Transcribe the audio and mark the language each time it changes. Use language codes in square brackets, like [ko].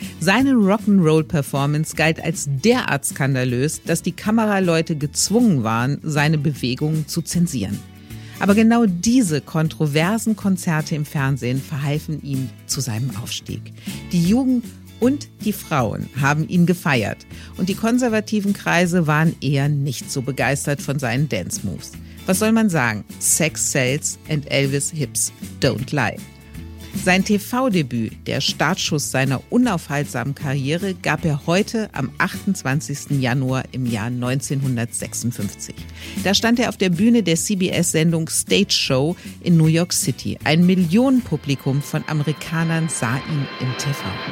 [de] Seine Rock'n'Roll-Performance galt als derart skandalös, dass die Kameraleute gezwungen waren, seine Bewegungen zu zensieren. Aber genau diese kontroversen Konzerte im Fernsehen verhalfen ihm zu seinem Aufstieg. Die Jugend und die Frauen haben ihn gefeiert und die konservativen Kreise waren eher nicht so begeistert von seinen Dance-Moves. Was soll man sagen? [en] Sex sells and Elvis hips don't lie. [de] Sein TV-Debüt, der Startschuss seiner unaufhaltsamen Karriere, gab er heute am 28. Januar im Jahr 1956. Da stand er auf der Bühne der CBS-Sendung Stage Show in New York City. Ein Millionenpublikum von Amerikanern sah ihn im TV.